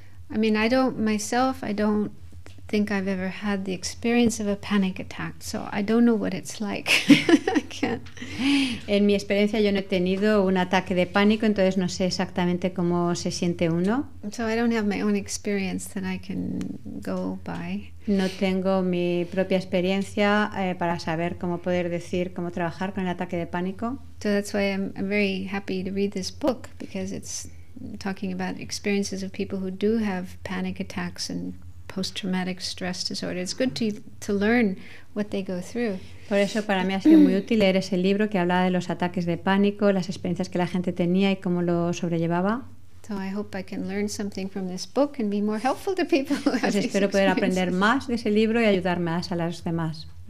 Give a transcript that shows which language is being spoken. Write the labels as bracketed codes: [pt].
[en] I mean, I don't myself, I don't think I've ever had the experience of a panic attack, so I don't know what it's like. I can't. [es] En mi experiencia yo no he tenido un ataque de pánico, entonces no sé exactamente cómo se siente uno. [en] So I don't have my own experience that I can go by. [es] No tengo mi propia experiencia para saber cómo poder decir, cómo trabajar con el ataque de pánico. [en] So that's why I'm very happy to read this book, because it's talking about experiences of people who do have panic attacks and post-traumatic stress disorder. It's good to learn what they go through. [es] Por eso para mí ha sido muy útil leer ese libro que hablaba de los ataques de pánico, las experiencias que la gente tenía y cómo lo sobrellevaba. [en] So I hope I can learn something from this book and be more helpful to people. [es] Pues espero poder aprender más de ese libro y ayudar más a los demás.